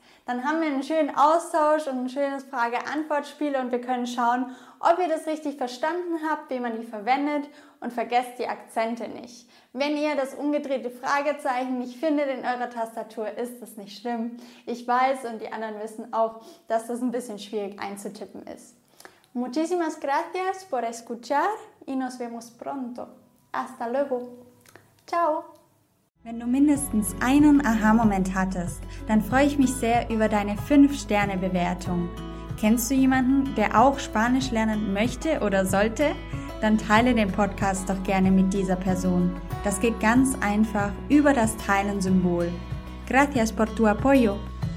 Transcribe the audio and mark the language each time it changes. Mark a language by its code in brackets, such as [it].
[de] Dann haben wir einen schönen Austausch und ein schönes Frage-Antwort-Spiel und wir können schauen, ob ihr das richtig verstanden habt, wie man die verwendet und vergesst die Akzente nicht. Wenn ihr das umgedrehte Fragezeichen nicht findet in eurer Tastatur, ist das nicht schlimm. Ich weiß und die anderen wissen auch, dass das ein bisschen schwierig einzutippen ist. [es] Muchísimas gracias por escuchar y nos vemos pronto. Hasta luego. Ciao. [de] Wenn du mindestens einen Aha-Moment hattest, dann freue ich mich sehr über deine 5-Sterne-Bewertung. Kennst du jemanden, der auch Spanisch lernen möchte oder sollte? Dann teile den Podcast doch gerne mit dieser Person. Das geht ganz einfach über das Teilen-Symbol. [es] Gracias por tu apoyo.